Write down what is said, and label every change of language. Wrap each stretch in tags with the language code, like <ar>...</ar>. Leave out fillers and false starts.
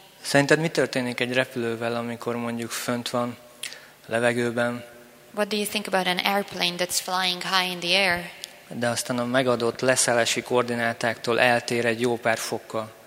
<hu>Szerinted mi történik egy repülővel, amikor mondjuk fönt van a levegőben?</hu> <en>What do you think about an airplane that's flying high in the air?</en> <hu>De aztán a megadott leszállási koordinátáktól eltér egy jó pár fokkal.</hu>